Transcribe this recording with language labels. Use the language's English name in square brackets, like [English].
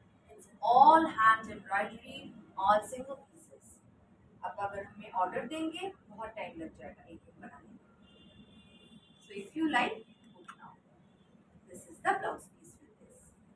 [English] It's all hand embroidery, all single pieces. [Hindi] अब अगर हमें ऑर्डर देंगे बहुत टाइम लग जाएगा एक एक बनाने में। [English] So if you like, book now. This is the blouse piece with this.